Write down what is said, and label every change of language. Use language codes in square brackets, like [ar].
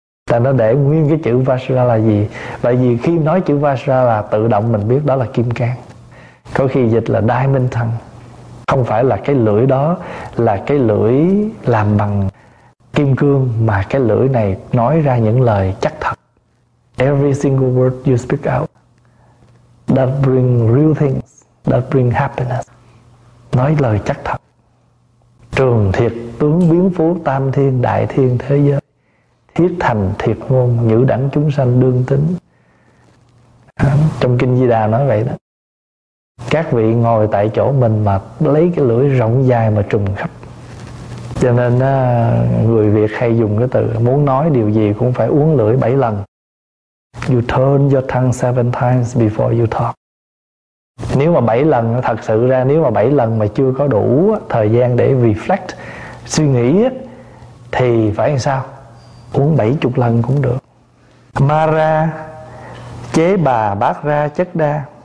[vi] Tại nó để nguyên cái chữ Vajra là gì? Bởi vì khi nói chữ Vajra là tự động mình biết đó là kim cang. Có khi dịch là diamond thân. Không phải là cái lưỡi đó là cái lưỡi làm bằng kim cương, mà cái lưỡi này nói ra những lời chắc thật. [en] Every single word you speak out that bring real things, that bring happiness. [vi] Nói lời chắc thật. Trường thiệt tướng biến phú tam thiên đại thiên thế giới, thiết thành thiệt ngôn, nhữ đẳng chúng sanh đương tính. Trong kinh Di Đà nói vậy đó. Các vị ngồi tại chỗ mình mà lấy cái lưỡi rộng dài mà trùm khắp. Cho nên người Việt hay dùng cái từ muốn nói điều gì cũng phải uống lưỡi 7 lần. [en] You turn your tongue 7 times before you talk. [vi] Nếu mà 7 lần, thật sự ra nếu mà 7 lần mà chưa có đủ thời gian để reflect, suy nghĩ, thì phải làm sao? Uống 70 lần cũng được. Mara chế bà bát ra chất đa.